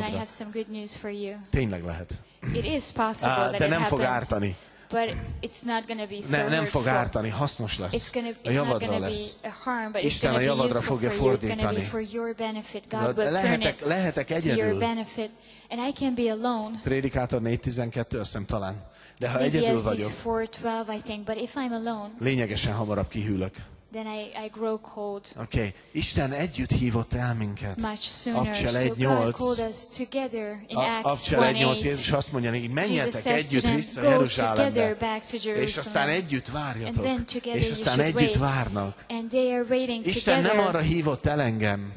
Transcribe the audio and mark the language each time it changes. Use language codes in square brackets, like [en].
[en] Then I have some good news for you. [hu] Tényleg lehet. [en] It is possible that [hu] de nem [en] it [hu] fog [en] happens, [hu] ártani. [en] But it's not going to be so [hu] nem fog ártani, hasznos lesz. [en] It's gonna, it's [hu] a javadra lesz. [en] A harm, but [hu] Isten a javadra fogja fordítani. [en] For you. For your benefit. God will turn [hu] lehetek, [en] it [hu] lehetek egyedül. [en] Your benefit. And I can be alone. [hu] Prédikátor 4:12, azt hiszem talán. De ha egyedül vagyok, [en] 4:12, I think, but if I'm alone, [hu] lényegesen hamarabb kihűlök. [en] Then I grow cold. Okay. [hu] Isten együtt hívott el minket. [en] Much sooner. Abcsel 1:8. So God called us together in Acts 1:8. [hu] Abcsel 1:8. Jézus azt mondja neki, menjetek együtt vissza Jeruzsálembe. És aztán együtt várjatok. [en] And then together [hu] és aztán [en] you [hu] együtt [en] wait. [hu] Várnak. [en] And they are waiting [hu] Isten [en] together. [hu] Nem arra hívott el engem,